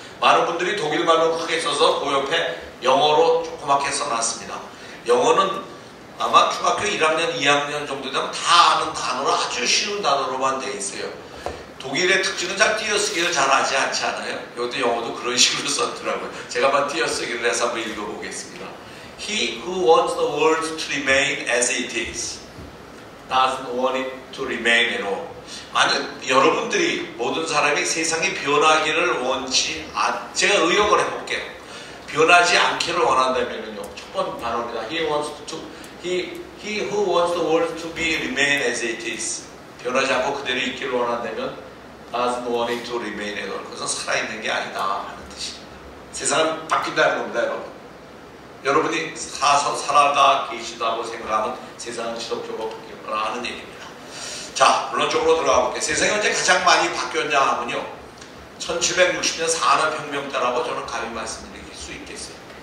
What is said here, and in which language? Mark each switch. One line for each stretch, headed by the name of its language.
Korean: 많은 분들이 독일말로 크게 써서 그 옆에 영어로 조그맣게 써놨습니다. 영어는 아마 중학교 1학년, 2학년 정도 되면 다 아는 단어로 아주 쉬운 단어로만 돼 있어요. 독일의 특징은 잘 띄어쓰기를 잘 하지 않지 않아요? 이것도 영어도 그런 식으로 썼더라고요. 제가 한번 띄어쓰기를 해서 한번 읽어보겠습니다.
English: He who wants the world to remain as it is doesn't want it to remain at all.
Korean: 만약 여러분들이 모든 사람이 세상이 변하기를 원치 제가 의역을 해볼게요. 변하지 않기를 원한다면요. 첫 번 단어입니다.
English: He who wants the world to remain as it is.
Korean: 변하지 않고 그대로 있기를 원한다면
English: doesn't want it to remain at all.
Korean: 그것은 살아있는 게 아니다 하는 뜻입니다. 세상은 바뀐다는 겁니다, 여러분. 여러분이 사서 살아가 계시다고 생각하면 세상은 지속적으로 바뀌라는 얘기입니다. 자, 본론적으로 들어가 볼게요. 세상이 언제 가장 많이 바뀌었냐 하면요. 1760년 산업혁명 때라고 저는 감히 말씀드릴 수 있겠어요.